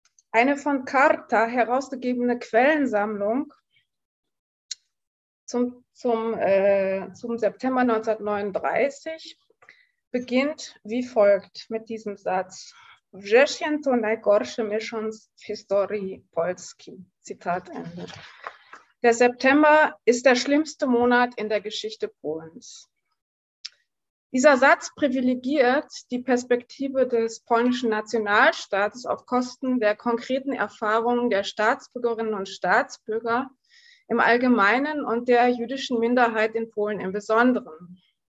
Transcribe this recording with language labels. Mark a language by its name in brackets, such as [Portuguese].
[German] Eine von Karta herausgegebene Quellensammlung zum September 1939 beginnt wie folgt mit diesem Satz. [Polish] Wrzesień to najgorszy miesiąc w historii Polski. [German] Zitat Ende. Der September ist der schlimmste Monat in der Geschichte Polens. Dieser Satz privilegiert die Perspektive des polnischen Nationalstaates auf Kosten der konkreten Erfahrungen der Staatsbürgerinnen und Staatsbürger im Allgemeinen und der jüdischen Minderheit in Polen im Besonderen.